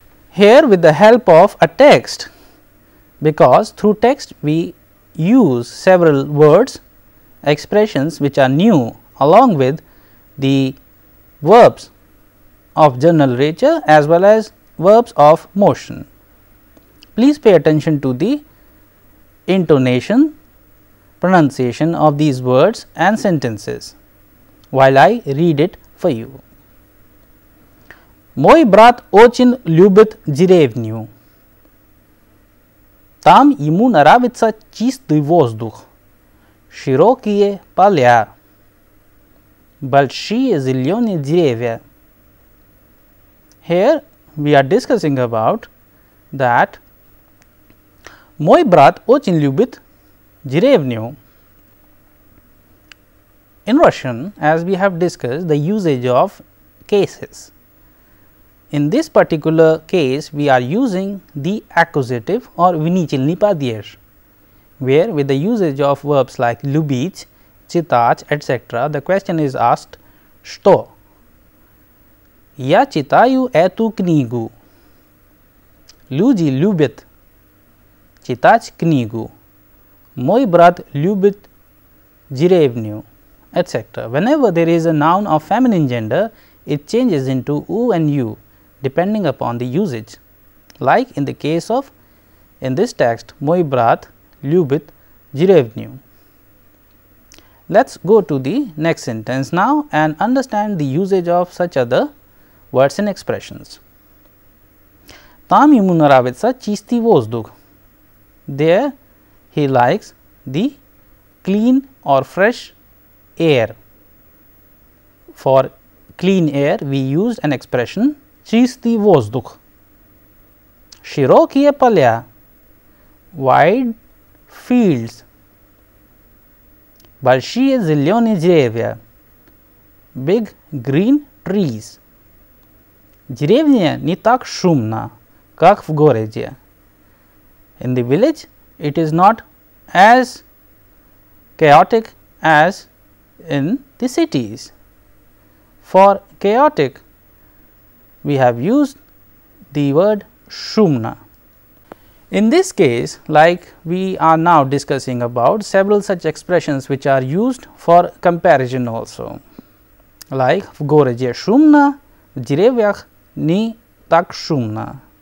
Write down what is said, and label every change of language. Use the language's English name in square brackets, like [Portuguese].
[English] Here with the help of a text, because through text we use several words, expressions which are new along with the verbs of general nature as well as verbs of motion. Please pay attention to the intonation, pronunciation of these words and sentences while I read it for you. [Russian] Мой брат очень любит деревню. Там ему нравится чистый воздух, широкие поля, большие зеленые деревья. [English] Here we are discussing about that [Russian] мой брат очень любит деревню. [English] In Russian, as we have discussed, the usage of cases. In this particular case, we are using the accusative or vinichilni padyesh, where with the usage of verbs like lubich, chitach, etc., the question is asked, Что? [Russian] Я читаю эту книгу. Люди любят читать книгу. Мой брат любит деревню. Etc. [English] Whenever there is a noun of feminine gender, it changes into u and u depending upon the usage. Like in the case of in this text, [Russian] Мой брат любит деревню. [English] Let's go to the next sentence now and understand the usage of such other words and expressions. [Russian] Там ему нравится чистый воздух. [English] There he likes the clean or fresh air. For clean air, we used an expression [Russian] чистый воздух. Широкие поля, [English] wide fields. [Russian] Большие зеленые деревья, [English] big green trees. [Russian] Деревня не так шумна, как в городе. [English] In the village, it is not as chaotic as in the cities. For chaotic, we have used the word шумна. In this case, like we are now discussing about several such expressions which are used for comparison also, like [Russian] в городе шумно, в деревьях не так шумно.